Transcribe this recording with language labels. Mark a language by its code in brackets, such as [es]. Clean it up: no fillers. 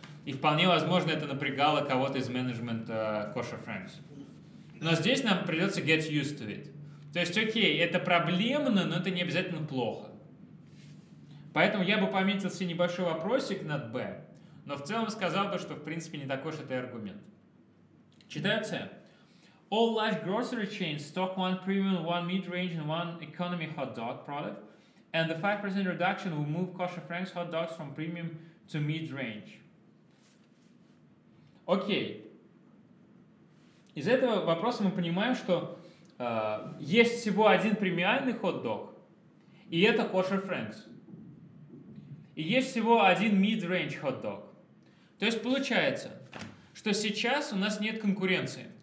[ru] И вполне возможно, это напрягало кого-то из менеджмента Kosher Franks. Но здесь нам придется [en] get used to it. [ru] То есть, окей, это проблемно, но это не обязательно плохо. Поэтому я бы пометил себе небольшой вопросик над B, но в целом сказал бы, что в принципе не такой уж это и аргумент. Читается. [en] All large grocery chains stock one premium, one mid-range and one economy hot dog product, and the 5% reduction will move Kosher Franks hot dogs from premium to mid-range. [ru] Окей. Из этого вопроса мы понимаем, что есть всего один премиальный хот дог, и это Kosher Franks. И есть всего один mid-range hot dog. То есть получается, что сейчас у нас нет конкуренции.